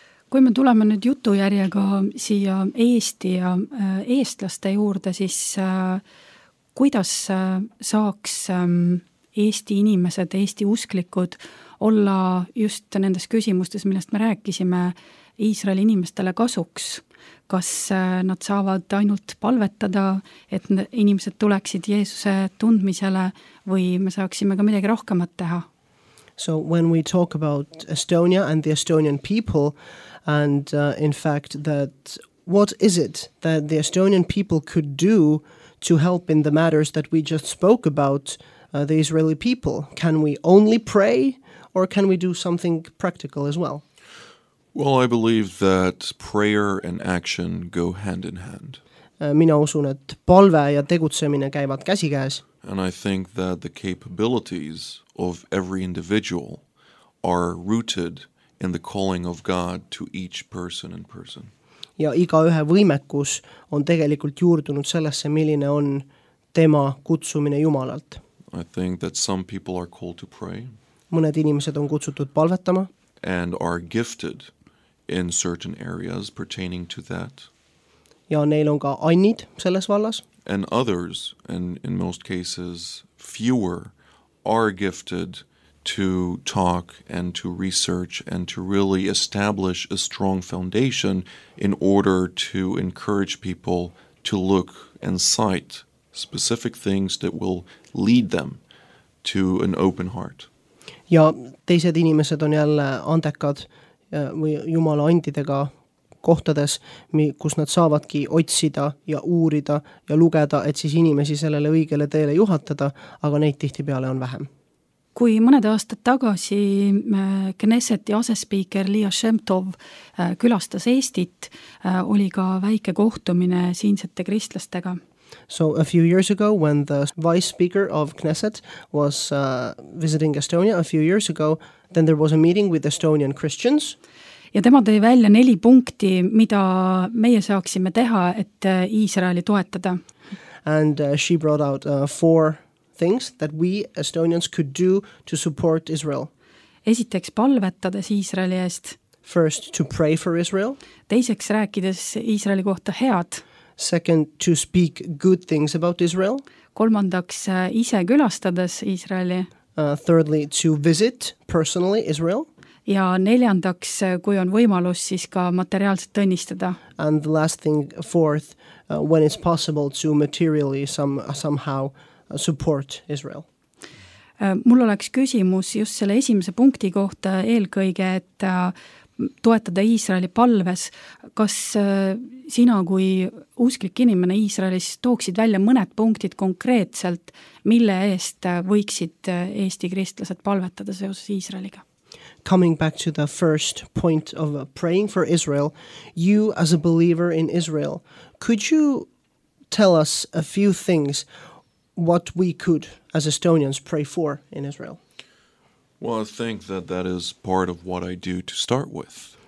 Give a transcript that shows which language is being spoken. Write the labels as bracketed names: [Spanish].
[Estonian] Kui me tuleme nüüd jutujärjega siia Eesti ja eestlaste juurde, siis kuidas saaks Eesti inimesed, Eesti usklikud olla just nendes küsimustes, millest me rääkisime, Iisraeli inimestele kasuks? Kas nad saavad ainult palvetada, et inimesed tuleksid Jeesuse tundmisele või me saaksime ka midagi rohkemat teha? [English] So when we talk about Estonia and the Estonian people and in fact that what is it that the Estonian people could do to help in the matters that we just spoke about the Israeli people? Can we only pray or can we do something practical as well? Well, I believe that prayer and action go hand in hand. [Estonian] Mina usun, et palve ja tegutsemine käivad käsi käes. [English] And I think that the capabilities of every individual are rooted in the calling of God to each person and person. [Estonian] Ja iga ühe võimekus on tegelikult juurdunud sellesse, milline on tema kutsumine Jumalalt. [English] I think that some people are called to pray. [Estonian] Mõned inimesed on kutsutud palvetama. [English] And are gifted in certain areas pertaining to that. [Estonian] Ja neil on ka annid selles vallas. [English] And others, and in most cases fewer, are gifted to talk and to research and to really establish a strong foundation in order to encourage people to look and cite specific things that will lead them to an open heart. [Estonian] Ja teised inimesed on jälle andekad või Jumala andidega kohtades, kus nad saavadki otsida ja uurida ja lugeda, et siis inimesi sellele õigele teele juhatada, aga neid tihti peale on vähem. Kui mõned aastad tagasi Knesseti asespiiker Liia Shemtov külastas Eestit, oli ka väike kohtumine siinsete kristlastega. [English] So a few years ago, when the vice speaker of Knesset was visiting Estonia a few years ago, then there was a meeting with Estonian Christians. [Estonian] Ja tema tõi välja neli punkti, mida meie saaksime teha, et Iisraeli toetada. [English] And she brought out four things that we Estonians could do to support Israel. [Estonian] Esiteks palvetades Iisraeli eest. [English] First, to pray for Israel. [Estonian] Teiseks rääkides Iisraeli kohta head. [English] Second, to speak good things about Israel. [Estonian] Kolmandaks, ise külastades Iisraeli. [English] Thirdly, to visit personally Israel. [Estonian] Ja neljandaks, kui on võimalus, siis ka materiaalselt tõnnistada. [English] And the last thing, fourth, when it's possible to materially somehow support Israel. [Estonian] Mul oleks küsimus just selle esimese punkti kohta eelkõige, et toetada Iisraeli palves. Kas sina kui usklik inimene Iisraelis tooksid välja mõned punktid konkreetselt, mille eest võiksid Eesti kristlased palvetada seoses Iisraeliga? [English] Coming back to the first point of praying for Israel, you as a believer in Israel, could you tell us a few things what we could as Estonians pray for in Israel? Well, I think that that is part of what I do to start with.